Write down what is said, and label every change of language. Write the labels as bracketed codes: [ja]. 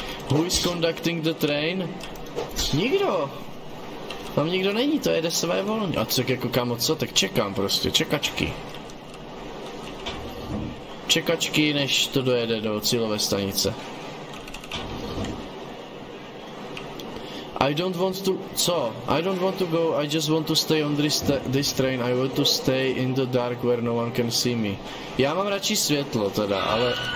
[en] Who is conducting the train? [cs] Nikdo. Tam nikdo není, to jede své volně. A co, jako kámo, co, tak čekám prostě, čekačky. Čekačky, než to dojede do cílové stanice. [en] I don't want to... [cs] Co? [en] I don't want to go, I just want to stay on this train. I want to stay in the dark where no one can see me. [cs] Já mám radši světlo teda, ale...